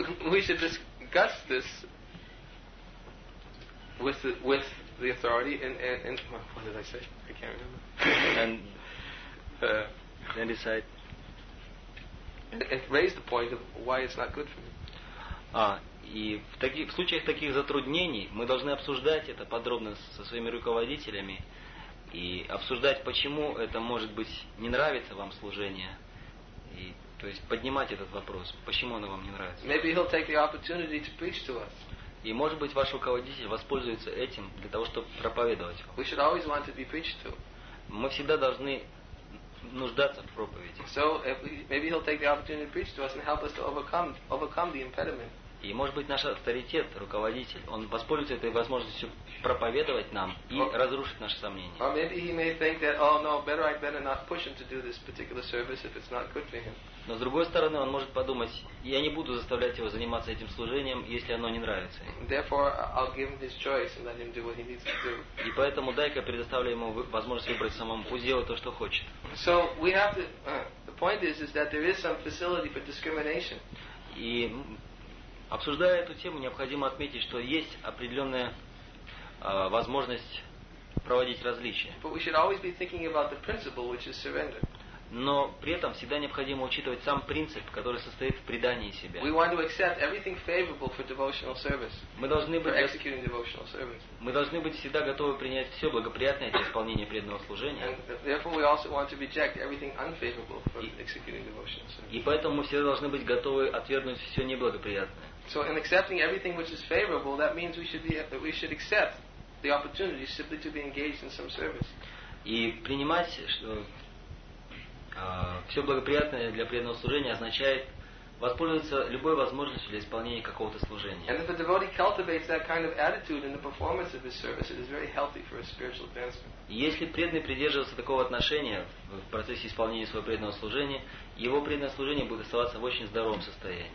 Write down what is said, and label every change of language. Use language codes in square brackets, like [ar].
[en] we should discuss this with the authority and what did I say? I can't remember. And then decide and raise the point of why it's not good for me. [ru] И в случаях таких затруднений мы должны обсуждать это подробно со своими руководителями и обсуждать, почему это может быть не нравится вам служение. И то есть поднимать этот вопрос, почему оно вам не нравится. [en] Maybe he'll take the opportunity to preach to us. [ru] И может быть ваш руководитель воспользуется этим для того, чтобы проповедовать вам. [en] We should always want to be preached to. [ru] Мы всегда должны нуждаться в проповеди. [en] So maybe he'll take the opportunity to preach to us and help us to overcome the impediment. [ru] И может быть наш авторитет, руководитель, он воспользуется этой возможностью проповедовать нам и разрушить наши сомнения. [en] Or maybe he may think that, oh no, I'd better not push him to do this particular service if it's not good for him. [ru] Но с другой стороны, он может подумать, я не буду заставлять его заниматься этим служением, если оно не нравится. [en] Therefore, I'll give him his choice and let him do what he needs to do. [ru] И поэтому дай-ка предоставлю ему возможность выбрать самому, пусть делает то, что хочет. [en] So we have to. The point is that there is some facility for discrimination. [ru] И обсуждая эту тему, необходимо отметить, что есть определенная возможность проводить различия. [en] But we should always be thinking about the principle, which is surrender. [ru] Но при этом всегда необходимо учитывать сам принцип, который состоит в предании себя. [en] We want to accept everything favorable for devotional service. [ru] Мы должны быть всегда готовы принять все благоприятное для исполнения преданного служения. [en] And therefore we also want to reject everything unfavorable for executing devotional service. [ru] И поэтому мы всегда должны быть готовы отвергнуть все неблагоприятное. [en] So in accepting everything which is favorable, that means we should accept the opportunity simply to be engaged in some service. [ru] И принимать что все благоприятное для преданного служения означает воспользоваться любой возможностью для исполнения какого-то служения. [en] Kind of service, [ru] если преданный придерживается такого отношения в процессе исполнения своего преданного служения, его преданное служение будет оставаться в очень здоровом состоянии.